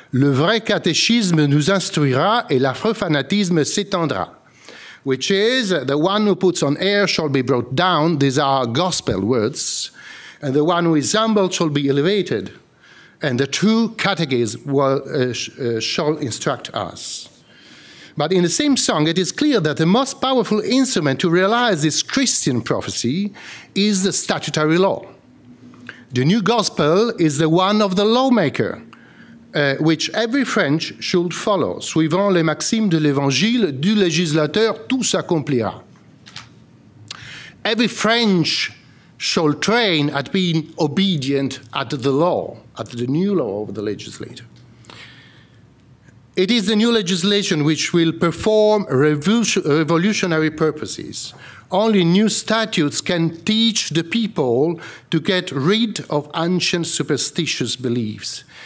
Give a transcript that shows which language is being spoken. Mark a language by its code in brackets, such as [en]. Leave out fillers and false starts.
[fr] Le vrai catéchisme nous instruira et l'affreux fanatisme s'étendra. [en] Which is, the one who puts on air shall be brought down. These are gospel words. And the one who is humble shall be elevated. And the true catechism shall instruct us. But in the same song, it is clear that the most powerful instrument to realize this Christian prophecy is the statutory law. The new gospel is the one of the lawmaker, which every French should follow. [fr] Suivant les maximes de l'évangile, du législateur, tout s'accomplira. [en] Every French shall train at being obedient at the law, at the new law of the legislator. It is the new legislation which will perform revolutionary purposes. Only new statutes can teach the people to get rid of ancient superstitious beliefs.